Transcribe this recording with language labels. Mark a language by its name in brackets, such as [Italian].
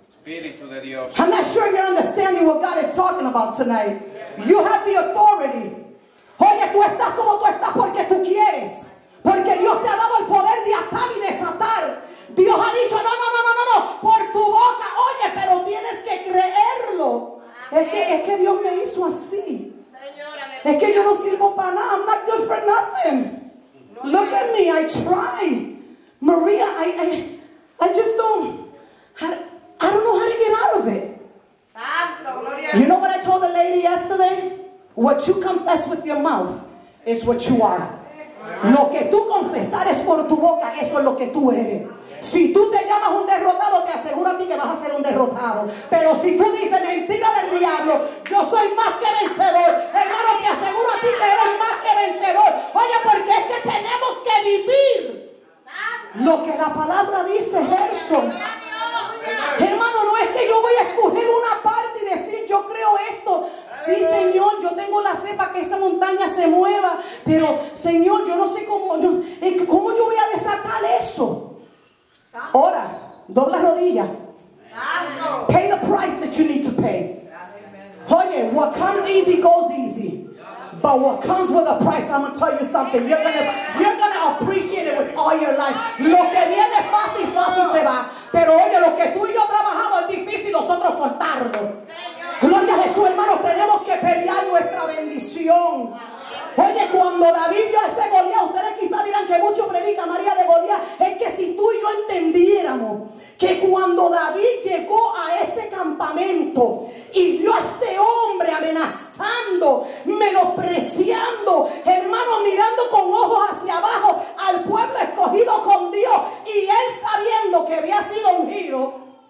[English] I'm not sure you're understanding what God is talking about tonight. You have the authority. [Spanish] Oye, tú estás como tú estás porque tú quieres. Porque Dios te ha dado el poder de atar y desatar. Dios ha dicho, no, por tu boca. Oye, pero tienes que creerlo. Es que Dios me hizo así. Es que yo no sirvo para nada. [English] I'm not good for nothing. Look at me, I try. Maria, I just don't know how to get out of it. You know what I told the lady yesterday? What you confess with your mouth is what you are. [Spanish] Lo que tú confesares por tu boca, eso es lo que tú eres. Si tú te llamas un derrotado, te aseguro a ti que vas a ser un derrotado. Pero si tú dices mentira del diablo, yo soy más que vencedor. Hermano, te aseguro a ti que eres más que vencedor. Oye, porque es que tenemos que vivir lo que la palabra dice. Eso, hermano, no es que yo voy a escoger una parte y decir yo creo esto. Sí, Señor, yo tengo la fe para que esa montaña se mueva, pero Señor, yo no sé cómo yo voy a desatar eso. Ahora dobla rodilla. [English] Pay the price that you need to pay. Oye, what comes easy goes easy. But what comes with a price, I'm going to tell you something. You're gonna appreciate it with all your life. [Spanish] Lo que viene fácil, fácil se va. Pero oye, lo que tú y yo trabajamos es difícil nosotros soltarlo. Gloria a Jesús, hermanos, tenemos que pelear nuestra bendición. Oye, cuando David vio a ese Goliat, ustedes quizás dirán que mucho predica María de Goliat. Es que si tú y yo entendiéramos que cuando David llegó a ese campamento y vio a este hombre amenazando, menospreciando, hermano, mirando con ojos hacia abajo al pueblo escogido con Dios, y él sabiendo que había sido ungido.